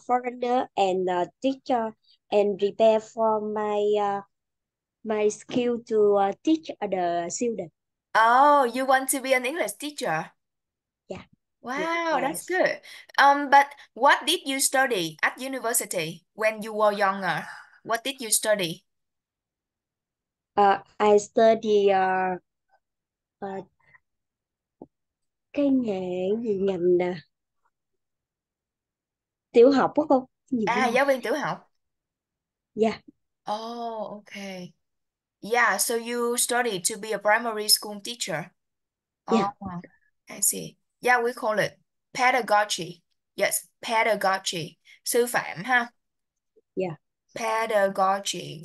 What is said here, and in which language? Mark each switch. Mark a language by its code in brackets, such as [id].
[en] the foreigner and teacher and prepare for my skill to teach other students. Oh, you want to be an English teacher? Wow, that's good. But what did you study at university when you were younger? What did you study? I study [vi] cái nghề gì ngành tiểu học có không nhiều À, không giáo viên tiểu học. [en] Oh, okay. Yeah, so you study to be a primary school teacher. Oh, I see. Yeah, we call it pedagogy. Yes, pedagogy. [vi] Sư phạm, [en] huh? Pedagogy.